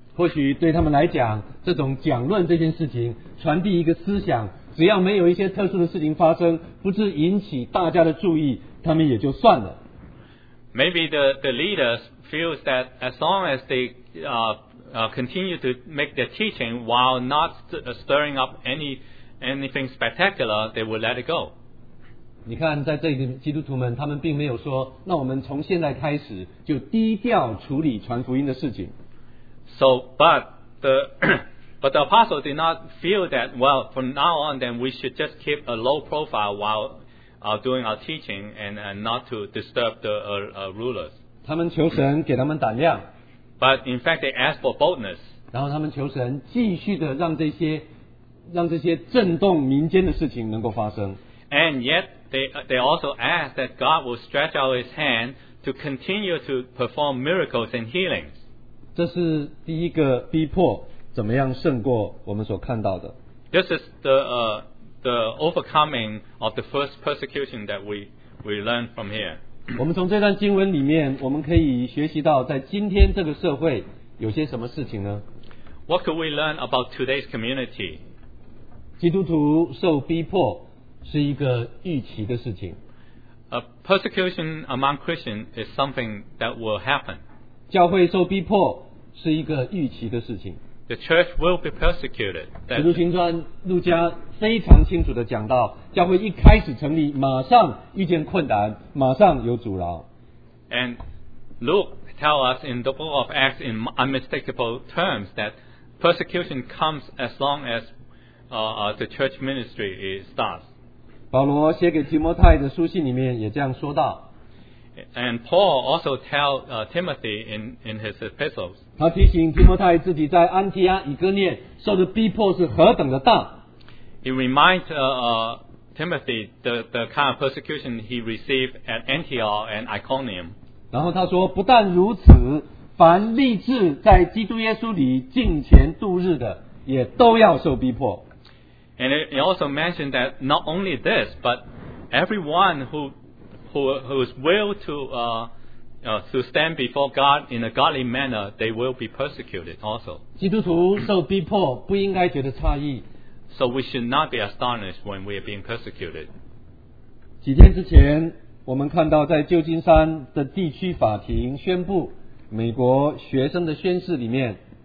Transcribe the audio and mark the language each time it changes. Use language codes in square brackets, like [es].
[zh] 或许对他们来讲，这种讲论这件事情，传递一个思想，只要没有一些特殊的事情发生，不是引起大家的注意，他们也就算了。 [en] Maybe the leaders feels that as long as they continue to make their teaching while not stirring up anything spectacular, they will let it go. [zh] 你看在这里基督徒们，他们并没有说，那我们从现在开始就低调处理传福音的事情。 [en] So, but the apostles did not feel that, well, from now on then we should just keep a low profile while doing our teaching and not to disturb the rulers. [zh] 他们求神给他们胆量。 [en] But in fact, they ask for boldness. [zh] 然后他们求神继续的让这些震动民间的事情能够发生。 [en] And yet, they also ask that God will stretch out His hand to continue to perform miracles and healings. [zh] 这是第一个逼迫，怎么样胜过我们所看到的？ [en] This is the overcoming of the first persecution that we learn from here. [zh] 我们从这段经文里面，我们可以学习到在今天这个社会有些什么事情呢？ [en] What could we learn about today's community? [zh] 基督徒受逼迫是一个预期的事情。 [en] A persecution among Christians is something that will happen. [zh] 教会受逼迫是一个预期的事情。 [en] The church will be persecuted. [zh] 使徒行传路加非常清楚地讲到，教会一开始成立马上遇见困难，马上有阻挠。 [en] And Luke tell us in the book of Acts in unmistakable terms that persecution comes as long as the church ministry starts. [zh] 保罗写给提摩太的书信里面也这样说到。 [en] And Paul also tell Timothy in his epistles. [zh] 他提醒提摩太自己在安提阿以哥涅受的逼迫是何等的大。 [en] He reminds Timothy the kind of persecution he received at Antioch and Iconium. [zh] 然后他说，不但如此，凡立志在基督耶稣里敬虔度日的，也都要受逼迫。 [en] And he also mentioned that not only this, but everyone who is willing to stand before God in a godly manner, they will be persecuted also. [zh] 基督徒受逼迫不应该觉得诧异。 [en] So we should not be astonished when we are being persecuted. [zh] 几天之前，我们看到在旧金山的地区法庭宣布，美国学生的宣誓里面。